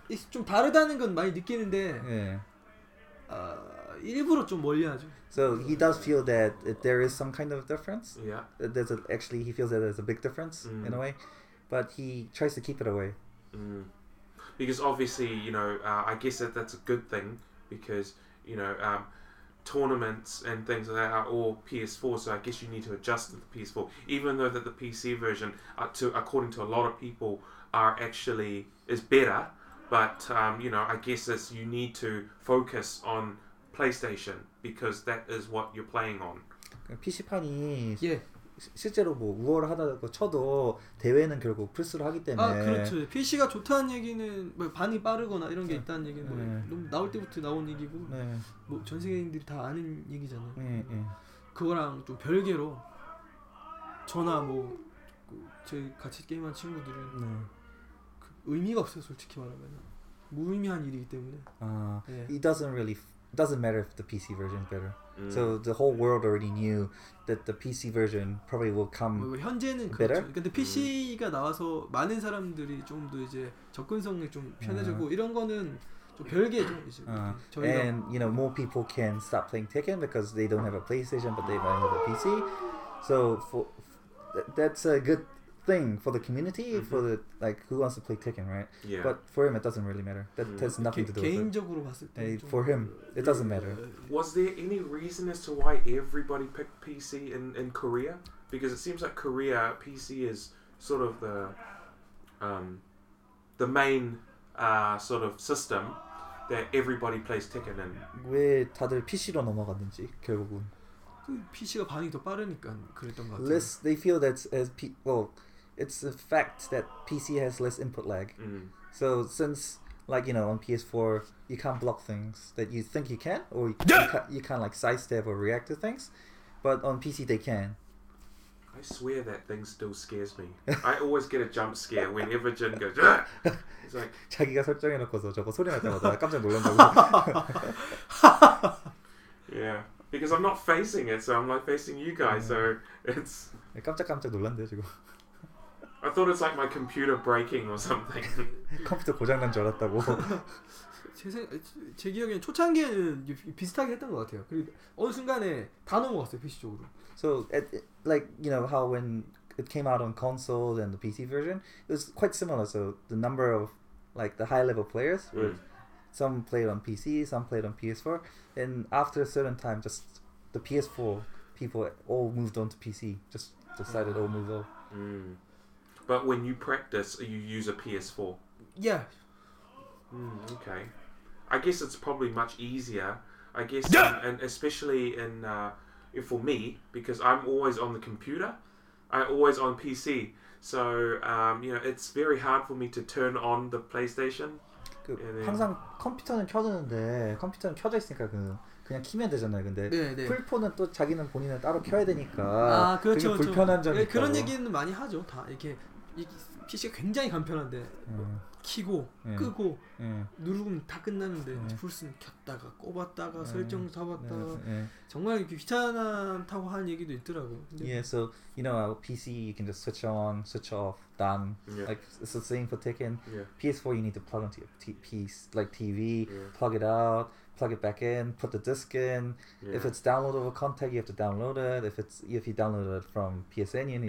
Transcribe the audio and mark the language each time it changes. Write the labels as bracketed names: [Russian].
[Korean] 좀 다르다는 건 많이 느끼는데. 예. 일부러 좀 멀리하죠. [English] So he does feel that there is some kind of difference. Yeah. There's actually he feels that there's a big difference in a way, but he tries to keep it away. Because obviously, you know, I guess that's a good thing because, you know, tournaments and things like that are all PS4, so I guess you need to adjust to the PS4. Even though that the PC version, according to a lot of people, is better, but, you know, I guess it's you need to focus on PlayStation because that is what you're playing on. [Korean] PC판이... [English] Yeah. [Korean] 실제로 뭐 우월을 하다고 쳐도 대회는 결국 플스로 하기 때문에 아 그렇죠. PC가 좋다는 얘기는 뭐 반이 빠르거나 이런 게 있다는 얘기는 네. 뭐 너무 나올 때부터 나온 얘기고 네. 뭐 전 세계인들이 다 아는 얘기잖아요. 네, 그거랑 좀 별개로 저나 뭐 저희 같이 게임한 친구들은 네. 그 의미가 없어요. 솔직히 말하면 무의미한 일이기 때문에 아 네. [English] doesn't matter if the PC version is better. So the whole world already knew that the PC version probably will come. [Korean] 현재는 그렇죠. 근데 PC가 나와서 많은 사람들이 좀 더 이제 접근성이 좀 편해지고 이런 거는 좀 별개죠. 이제 저희가 [English] And you know more people can start playing Tekken because they don't have a PlayStation but they might have a PC. So that's a good thing for the community for the like who wants to play Tekken, right? Yeah. But for him, it doesn't really matter. That has nothing to do. 개인적으로 봤을 때 for him, it doesn't matter. Was there any reason as to why everybody picked PC in Korea? Because it seems like Korea PC is sort of the main sort of system that everybody plays Tekken in. [Korean] 왜 다들 PC로 넘어갔는지 결국은. PC가 반응이 더 빠르니까 그랬던 것 같아요. [English] Less, they feel that it's a fact that PC has less input lag. So since like you know on PS4 you can't block things that you think you can or you can't like sidestep or react to things, but on PC they can. I swear that thing still scares me. I always get a jump scare whenever Jin goes. It's like [Korean] 자기가 설정해놓고서 저거 소리 날 때마다 깜짝 놀란다고. [English] Yeah. Because I'm not facing it, so I'm like facing you guys, so it's... [Korean] 깜짝깜짝 놀란대요, 지금. [English] I thought it's like my computer breaking or something. [Korean] 컴퓨터 고장난 줄 알았다고. 제 기억에는 초창기에는 비슷하게 했던 것 같아요. 그리고 어느 순간에 다 넘어갔어요 PC 쪽으로. [English] So like you know how when it came out on consoles and the PC version, it was quite similar. So the number of like the high level players, some played on PC, some played on PS4, and after a certain time, just the PS4 people all moved on to PC. Just decided all move on. Mm. But when you practice, you use a PS4. Yeah. Okay. I guess it's probably much easier. I guess, yeah! And especially in for me, because I'm always on the computer. I always on PC. So, you know, it's very hard for me to turn on the PlayStation. [Korean] 그 then... 항상 컴퓨터는 켜졌는데 컴퓨터는 켜져 있으니까 그냥 키면 되잖아요. 근데 네, 네. 풀폰은 또 자기는 본인은 따로 켜야 되니까. 아, 그렇죠. 그게 불편한 점이 있고. 그런 얘기는 많이 하죠. 다 이렇게 이 PC가 굉장히 간편한데 키고 끄고 누르면 다 끝나는데 풀스는 켰다가 꼽았다가 설정 잡았다가 정말 귀찮다고 하는 얘기도 있더라고. [English] Yeah, so you know, a PC you can just switch on, switch off, done. Yeah. Like it's the same for Tekken. Yeah. PS4 you need to plug into your piece like TV, yeah. plug it out, plug it back in, put the disc in. Yeah. If it's downloadable content, you have to download it. If it's if you download it from PSN, you need